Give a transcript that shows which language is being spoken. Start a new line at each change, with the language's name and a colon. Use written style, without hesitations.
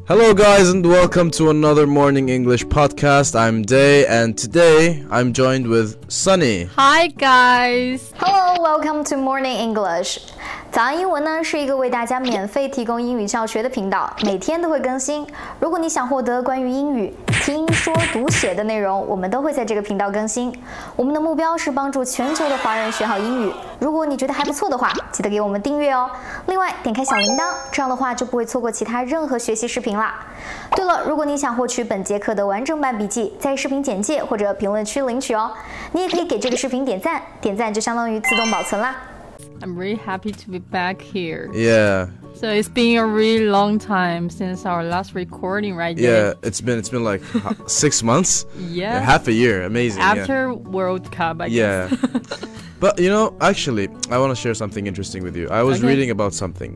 English: Hello guys and welcome to another Morning English podcast. I'm Day and today I'm joined with Sunny. Hi guys. Hello, welcome to Morning English.
Chinese: 早安英文呢是一个为大家免费提供英语教学的频道，每天都会更新。如果你想获得关于英语听说读写的内容，我们都会在这个频道更新。我们的目标是帮助全球的华人学好英语。如果你觉得还不错的话，记得给我们订阅哦。另外，点开小铃铛，这样的话就不会错过其他任何学习视频啦。对了，如果你想获取本节课的完整版笔记，在视频简介或者评论区领取哦。你也可以给这个视频点赞，点赞就相当于自动保存啦。
English: I'm really happy to be back here. Yeah. So it's been a really long time since our last recording, right? Yeah, it's been like 6 months. Yeah. Yeah. Half a year. Amazing. After World Cup, I guess. Yeah. But, you know, actually, I want to share something interesting with you. I was reading about something.